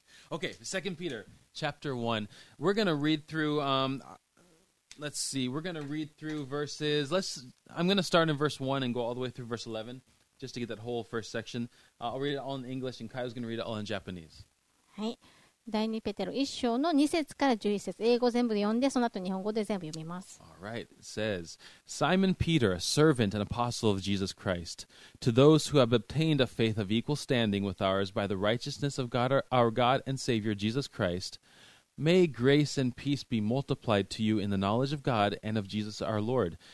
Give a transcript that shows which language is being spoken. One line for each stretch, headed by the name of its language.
English: Okay, 2 Peter chapter 1. We're going to read throughLet's see. We're going to read through verses. I'm going to start in verse 1 and go all the way through verse 11 just to get that whole first section. I'll read it all in English and Kaio's going to read it all in Japanese.
Japanese: はい。第2ペテロ1章の2節から11節。英語全部読んで、その後日本語で全部読みます。
English: All right. It says, Simon Peter, a servant and apostle of Jesus Christ, to those who have obtained a faith of equal standing with ours by the righteousness of God, our God and Savior Jesus Christ,May grace and peace be multiplied to you in the knowledge of God and of Jesus our Lord.